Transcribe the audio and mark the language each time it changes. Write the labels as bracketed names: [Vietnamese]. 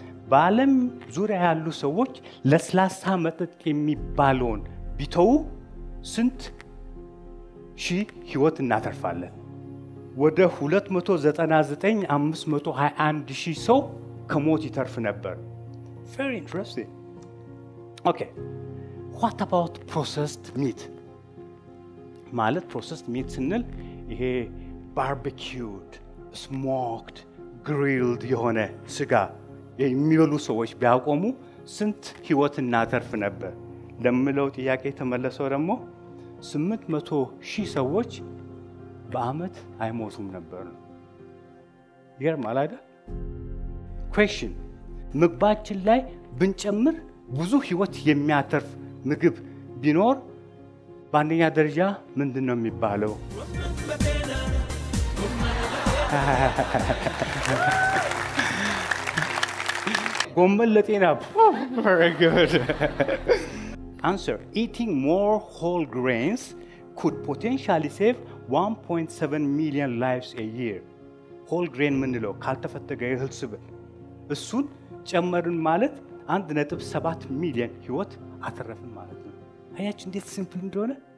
[Amharic] በዓለም ዙሪያ ያሉ ሰዎች ለስላሳ መጠጥ የሚባለውን ቢተው ስንት ሺህ ህይወት እናተርፋለን? ወደ 299,521,000 ሰው ከሞት ይተርፍ ነበር። [English] Very interesting. Okay. What about processed meat? [Amharic] ማለት processed meat ስንል ይሄ [English] barbecued, smoked, grilled [Amharic] የሆነ ስጋ የሚበሉ ሰዎች ቢያቆሙ ስንት ህይወት እናተርፍ ነበር? ለምለው ጥያቄ ተመለሰው ደግሞ 800,000 ሰዎች በአመት አይሞቱም ነበር። ይገርማል አይደል? [English] Question. [Amharic] ምግባችን ላይ ብንጨምር ብዙ ህይወት የሚያተርፍ ምግብ ቢኖር በአንደኛ ደረጃ ምንድን ነው የሚባለው? ጎመን ለጤና። [English] Very good. Answer. Eating more whole grains could potentially save 1.7 million lives a year. [Amharic] Whole grain ምንለው ካልተፈተገ የእህል ስብል እሱን ጨመርን ማለት 1.7 ሚሊዮን ህይወት አተረፍን ማለት ነው። አያችሁ እንዴት ሲምፕል እንደሆነ?